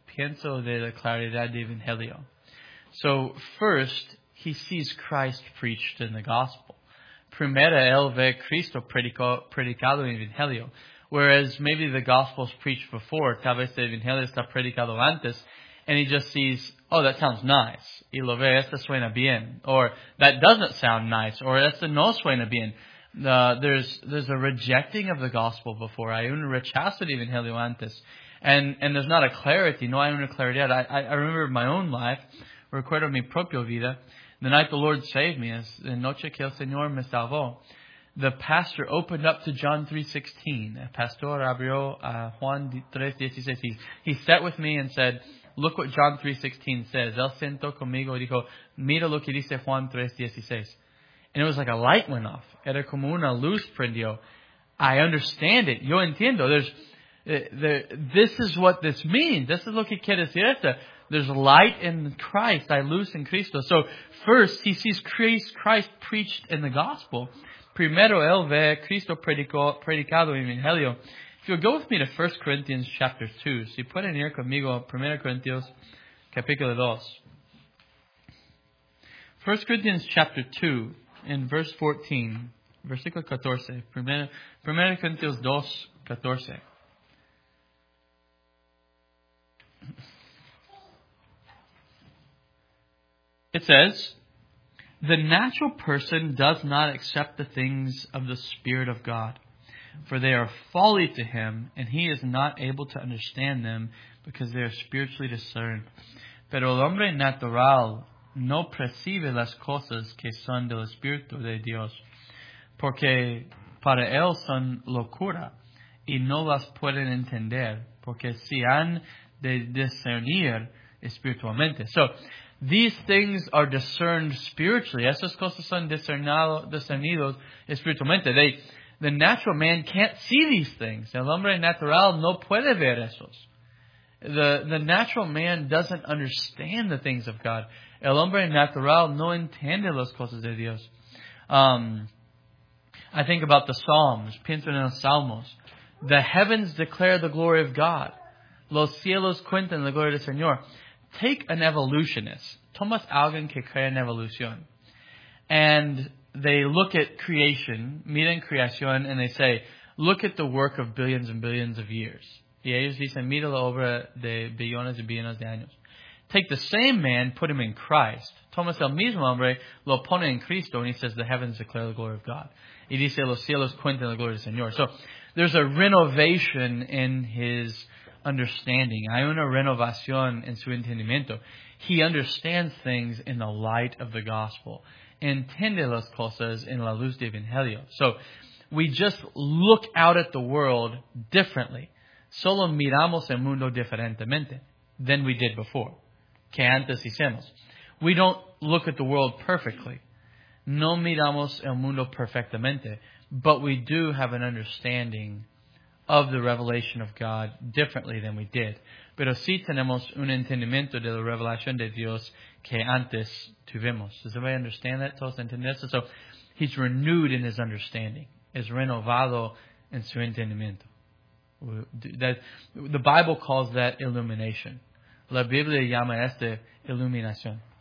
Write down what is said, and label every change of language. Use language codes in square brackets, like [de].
[es] Pienso de la claridad de Evangelio. [en] So, first, he sees Christ preached in the gospel. [es] Primera, él ve Cristo predicado en Evangelio. [en] Whereas, maybe the gospel's preached before, [es] tal vez el Evangelio está predicado antes, [en] and he just sees, oh, that sounds nice. [es] Y lo ve, esto suena bien. [en] Or, that doesn't sound nice. Or, [es] esto no suena bien. [en] There's a rejecting of the gospel before. [es] Hay un rechazo de Evangelio antes. [en] And there's not a clarity. [es] No hay una claridad. [en] I remember my own life. [es] Recuerdo mi propia vida. [en] The night the Lord saved me, [es] es la noche que el Señor me salvó. [en] The pastor opened up to John 3:16. [es] El pastor abrió a Juan 3:16. [en] He sat with me and said, look what John 3:16 says. [es] Él sentó conmigo y dijo, mira lo que dice Juan 3:16. [en] And it was like a light went off. [es] Era como una luz prendió. [en] I understand it. [es] Yo entiendo. [en] This is what this means. This is [es] lo que quiere decir esto. [en] There's light in Christ. [es] Hay luz en Cristo. [en] So first, he sees Christ preached in the gospel. [es] Primero, él ve Cristo predicado en el Evangelio. [en] If you'll go with me to 1 Corinthians chapter 2. [es] Si pueden ir conmigo, 1 Corinthians capítulo 2. [en] 1 Corinthians chapter 2, in verse 14. [es] Versículo 14. Primero Corintios 2, 14. [en] It says, the natural person does not accept the things of the Spirit of God, for they are folly to him, and he is not able to understand them because they are spiritually discerned. [es] Pero el hombre natural no percibe las cosas que son del Espíritu de Dios, porque para él son locura, y no las pueden entender, porque si han de discernir espiritualmente. [en] So, these things are discerned spiritually. [es] Esas cosas son discernidos espiritualmente. [en] The natural man can't see these things. [es] El hombre natural no puede ver esos. [en] The natural man doesn't understand the things of God. [es] El hombre natural no entiende las cosas de Dios. [en] I think about the Psalms. [es] Pienso en los Salmos. [en] The heavens declare the glory of God. [es] Los cielos cuentan la gloria del Señor. [en] Take an evolutionist. [es] Tomas alguien que cree en evolución. [en] And they look at creation, [es] miren creación, [en] and they say, look at the work of billions and billions of years. [es] Y ellos dicen, mira la obra de billones y billones de años. [en] Take the same man, put him in Christ. [es] Tomas el mismo hombre, lo pone en Cristo, [en] and he says, the heavens declare the glory of God. [es] Y dice, los cielos cuentan la gloria del Señor. [en] So, there's a renovation in his understanding. [es] Hay una renovación en su entendimiento. [en] He understands things in the light of the gospel. [es] Entiende las cosas en la luz del Evangelio. [en] So, we just look out at the world differently. [es] Solo miramos el mundo diferentemente [en] than we did before. [es] Que antes hicimos. [en] We don't look at the world perfectly. [es] No miramos el mundo perfectamente. [en] But we do have an understanding of the revelation of God differently than we did. [es] Pero sí tenemos un entendimiento de la revelación de Dios que antes tuvimos. [en] Does anybody understand that? [es] ¿Todos entienden eso? [en] So, he's renewed in his understanding. [es] Es renovado en su entendimiento. [en] The Bible calls that illumination. [es] La Biblia llama esta iluminación.